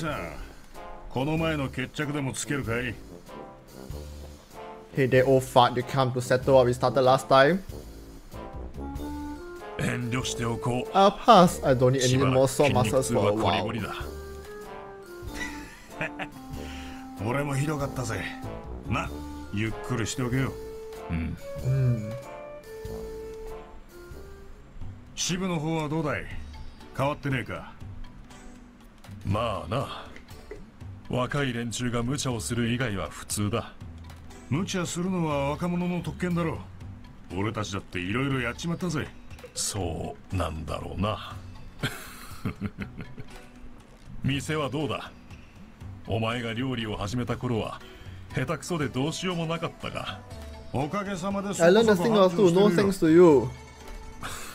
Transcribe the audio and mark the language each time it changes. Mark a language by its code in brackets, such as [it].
[ja] するぞ。え、おじいさん。この前の決着でもつけるかい? [en] Hey, that old fart, you come to settle what we started last time? [ja] 遠慮しておこう。 [en] I'll pass. I don't need any more sore muscles for a while. [ja] 俺もひどかったぜ。な、ゆっくりしておけよ。支部の方はどうだい?変わってねえか。まあな。若い連中が無茶をする以外は普通だ。無茶するのは若者の特権だろう。俺たちだっていろいろやっちまったぜ。そうなんだろうな。店はどうだ?お前が料理を始めた頃は下手くそでどうしようもなかったが。おかげさまでそこそこ。I